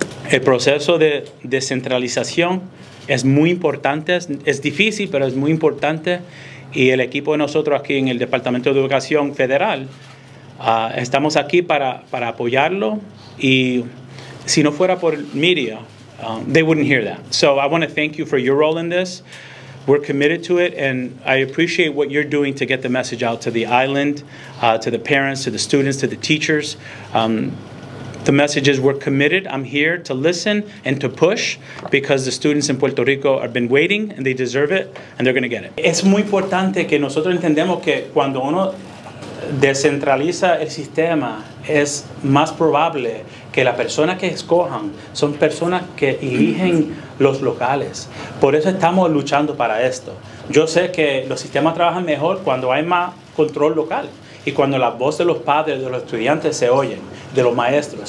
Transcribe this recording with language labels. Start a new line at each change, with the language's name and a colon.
Spanish: El proceso de descentralización es muy importante, es difícil, pero es muy importante, y el equipo de nosotros aquí en el Departamento de Educación Federal, estamos aquí para apoyarlo, y si no fuera por media,
English: they wouldn't hear that. So I want to thank you for your role in this. We're committed to it, and I appreciate what you're doing to get the message out to the island, to the parents, to the students, to the teachers. The message is we're committed. I'm here to listen and to push because the students in Puerto Rico have been waiting and they deserve it and they're going to get it.
Spanish: Es muy importante que nosotros entendamos que cuando uno descentraliza el sistema es más probable que las personas que escojan son personas que eligen los locales. Por eso estamos luchando para esto. Yo sé que los sistemas trabajan mejor cuando hay más control local y cuando la voz de los padres, de los estudiantes se oyen, de los maestros.